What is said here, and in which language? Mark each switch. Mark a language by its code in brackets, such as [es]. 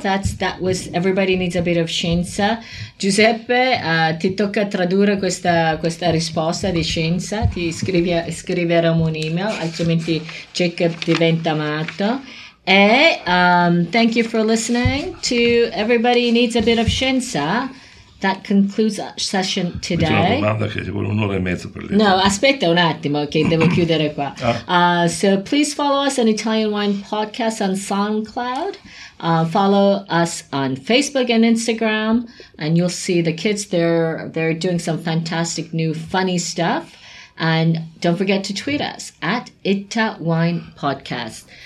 [en] That was Everybody Needs a Bit of Scienza. [it] Giuseppe, ti tocca tradurre questa risposta di scienza. Ti scriverò un'email, altrimenti Jacob diventa matto. [en] E thank you for listening to Everybody Needs a Bit of Scienza. That concludes our session today. [it] No, aspetta un attimo, okay, devo chiudere qua. [en] So please follow us on Italian Wine Podcast on SoundCloud. Follow us on Facebook and Instagram, and you'll see the kids there. They're doing some fantastic new funny stuff. And don't forget to tweet us at Ita Wine Podcast.